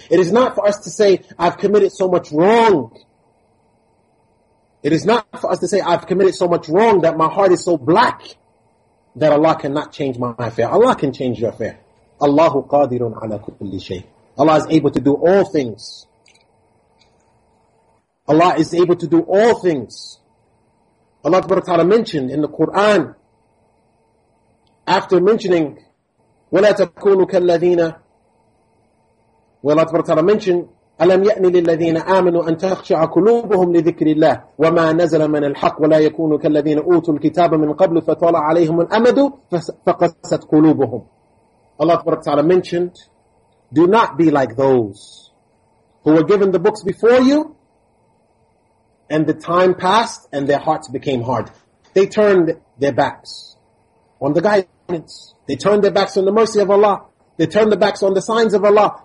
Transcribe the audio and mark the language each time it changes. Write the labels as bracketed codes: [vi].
[en] It is not for us to say, I've committed so much wrong. It is not for us to say, I've committed so much wrong that my heart is so black that Allah cannot change my affair. Allah can change your affair. [ar] Allahu qadirun ala kulli shay. [en] Allah is able to do all things. Allah is able to do all things. Allah subhanahu wa ta'ala mentioned in the Quran, after mentioning, [ar] وَلَا تَكُونُوا كَالَّذِينَ وَلَا تَبَرَّكَ تَعَالَى مَنْشِنْ أَلَمْ يَأْنِ لِلَّذِينَ آمَنُوا أَنْ تَخْشَعَ قُلُوبُهُمْ لِذِكْرِ اللَّهِ وَمَا نَزَلَ مِنَ الْحَقِّ وَلَا يَكُونُوا كَالَّذِينَ أُوتُوا الْكِتَابَ مِنْ قَبْلُ فَطَالَ عَلَيْهِمُ الْأَمَدُ فَقَسَتْ قُلُوبُهُمْ. [en] Allah subhanahu wa ta'ala mentioned, do not be like those who were given the books before you and the time passed and their hearts became hard. They turned their backs on the guidance. They turned their backs on the mercy of Allah. They turned their backs on the signs of Allah.